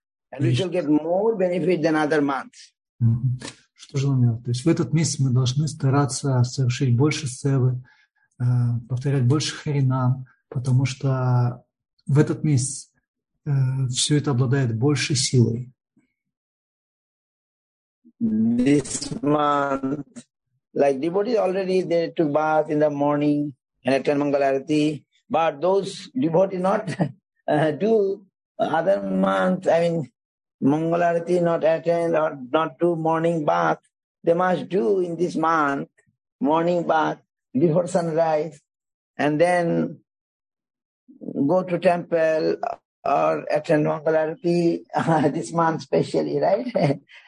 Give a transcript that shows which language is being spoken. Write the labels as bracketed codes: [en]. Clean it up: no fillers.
[en] And we shall get more benefit than other months. [ru] Что же нам делать? То есть в этот месяц мы должны стараться совершить больше севы, повторять больше харинам, потому что в этот месяц все это обладает большей силой. [en] This month, like devotees already they took bath in the morning and attend Mangal Arati, but those devotees not do other month, I mean Mangal Arati not attend or not do morning bath, they must do in this month morning bath before sunrise, and then go to temple or attend Mangal Arati this month specially, right?